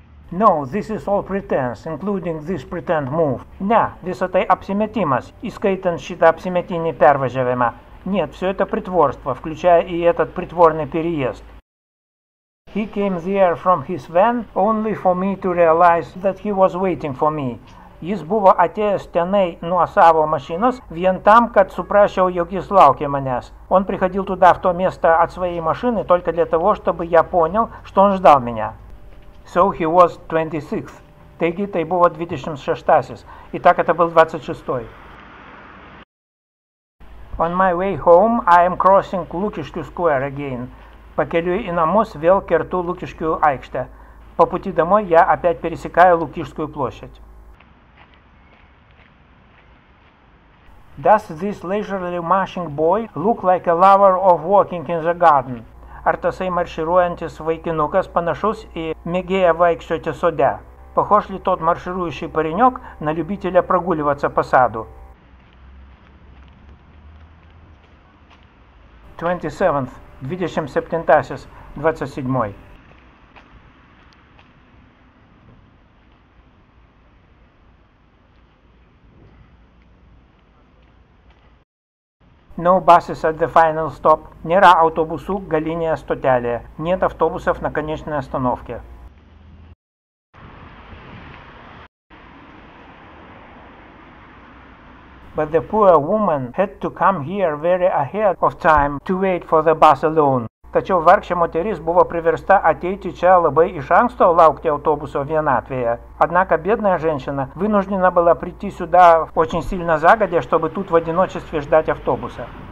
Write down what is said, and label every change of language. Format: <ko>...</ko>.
<en>No, this is all pretense, including this pretend move.</en> <lt>Ne, visa tai apsimetimas, įskaitant šitą apsimetinį pervažiavimą.</lt> <ru>Нет, все это притворство, включая и этот притворный переезд.</ru> <en>He came there from his van only for me to realize that he was waiting for me.</en> <lt>Jis buvo atėjęs tenai nuo savo mašinos vien tam, kad suprasčiau, jog jis laukė manęs.</lt> <ru>Он приходил туда в то место от своей машины только для того, чтобы я понял, что он ждал меня.</ru> <en>So he was 26th.</en> <lt>Taigi, tai buvo 26-asis.</lt> <ru>Итак, это был 26-й.</ru> <en>On my way home, I am crossing Lukiškių Square again.</en> <lt>Pakeliui į namus vėl kertu Lukiškių aikštę.</lt> <ru>По пути домой я опять пересекаю Лукишскую площадь.</ru> <en>Does this leisurely marching boy look like a lover of walking in the garden?</en> <lt>Ar tasai marširuojantis vaikinukas panašus į mėgėją vaikščioti sode?</lt> <ru>Похож ли тот марширующий паренек на любителя прогуливаться по саду?</ru> <en>27th. 27-тасис. 27-й. No buses at the final stop.</en> <ru>Нера автобусу галиния стотялия. Нет автобусов на конечной остановке.</ru> <en>28.</en> <lt>Tačiau vargšė moteris buvo priversta ateiti čia labai iš anksto laukti autobuso vienatvėje.</lt> <ru>Однако бедная женщина вынуждена была прийти сюда очень сильно загодя, чтобы тут в одиночестве ждать автобуса.</ru>